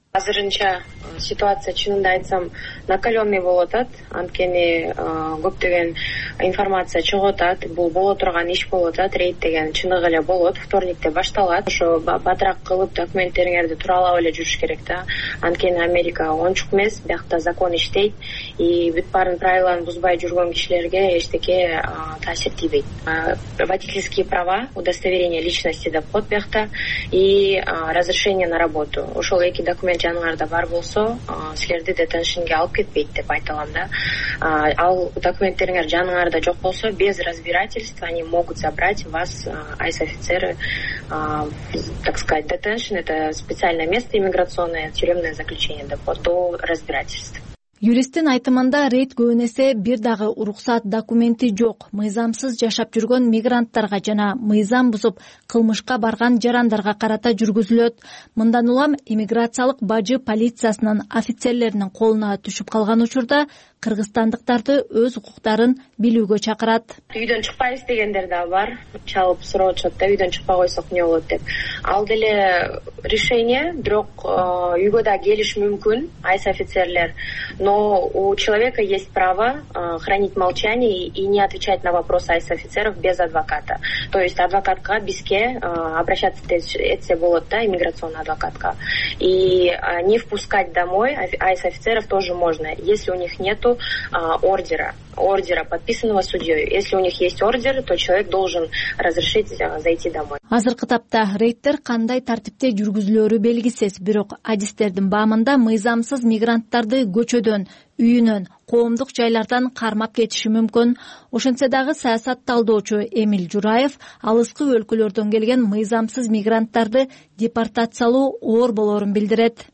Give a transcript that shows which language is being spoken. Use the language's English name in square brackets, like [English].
[Kyrgyz] Азырынча ситуация чынында айтсам накаленный болуп атат, анткени көптөгөн информация чыгып атат, бул боло турган иш болуп атат, рейд деген чыныгы эле болот, вторникте башталат. Ошо батырак кылып документтериңерди тууралап эле жүрүш керек да, анткени Америка ончук эмес, биякта закон иштейт и бүт баарын правиланы бузбай жүргөн кишилерге эчтеке таасир тийбейт. [Russian] Водительские права, удостоверение личности [Kyrgyz] деп коет биякта [Russian] и разрешение на работу. [Kyrgyz] Ошол эки документ жаныңарда бар болсо, силерди детеншинге алып кетпейт деп айта алам да. Ал документтериңер жаныңарда жок болсо, [Russian] без разбирательства они могут забрать вас, айс офицеры, так сказать, детеншин, это специальное место иммиграционное, тюремное заключение [Kyrgyz] деп коет, [Russian] до разбирательства. [Kyrgyz] Юристтин айтымында рейд көбүнесе бир дагы уруксат документи жок, мыйзамсыз жашап жүргөн мигранттарга жана мыйзам бузуп кылмышка барган жарандарга карата жүргүзүлөт. Мындан улам иммиграциялык бажы полициясынын офицерлеринин колуна түшүп калган учурда кыргызстандыктарды өз укуктарын билүүгө чакырат. Үйдөн чыкпайбыз дегендер да бар. Чалып суроо жатат да, үйдөн чыкпай койсок эмне болот деп. Ал деле решение, бирок үйгө да келиш мүмкүн айс офицерлер. [Russian] Но у человека есть право хранить молчание и не отвечать на вопросы айс офицеров без адвоката. То есть [Kyrgyz] адвокатка бизге [Russian] обращаться [Kyrgyz] этсе болот да, иммиграционный адвокатка. [Russian] И не впускать домой айс офицеров тоже можно, если у них нету ордера, подписанного судьей. Если у них есть ордер, то человек должен разрешить зайти домой. [Kyrgyz] Азыркы тапта рейдтер кандай тартипте жүргүзүлөрү белгисиз, бирок адистердин баамында мыйзамсыз мигранттарды көчөдөн, үйүнөн, коомдук жайлардан кармап кетиши мүмкүн. Ошентсе дагы саясат талдоочу Эмил Жураев алыскы өлкөлөрдөн келген мыйзамсыз мигранттарды депортациялоо оор болорун билдирет.